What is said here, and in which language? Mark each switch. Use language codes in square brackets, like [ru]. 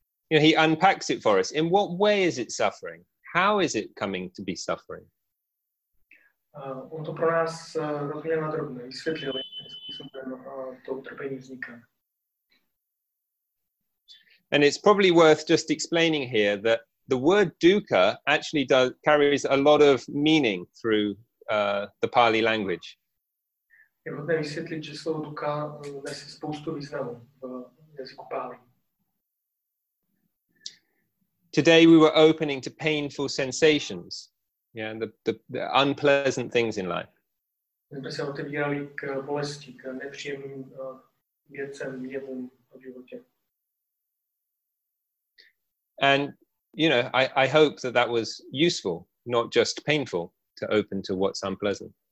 [en] You know, he unpacks it for us. In what way is it suffering? How is it coming to be suffering? [cs] On to pro nás rozměl nadrobně, vysvětlil, jakým způsobem to utrpení vzniká. [en] And it's probably worth just explaining here that the word dukkha actually does carries a lot of meaning through the Pali language. [cs] Je vhodné vysvětlit, že slovo dukkha nese spoustu významů v jazyku Pali. [en] Today we were opening to painful sensations. Yeah, and the unpleasant things in life. And, you know, I hope that that was useful, not just painful, to open to what's unpleasant.